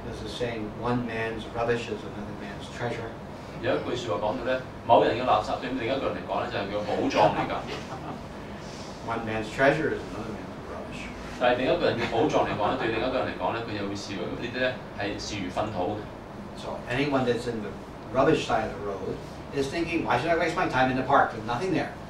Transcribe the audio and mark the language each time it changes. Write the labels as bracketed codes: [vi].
[en] This is saying one man's rubbish is another man's treasure. [yue] 有一句説話講到咧，某人嘅垃圾堆對另一個人嚟講咧，就係佢寶藏嚟㗎。 [en] One man's treasure is another man's rubbish. [yue] 但係另一個人嘅寶藏嚟講咧，對另一個人嚟講咧，佢又會視呢啲咧係視如糞土嘅。 [en] So anyone that's in the rubbish side of the road. Is thinking, why should I waste my time in the park with nothing there?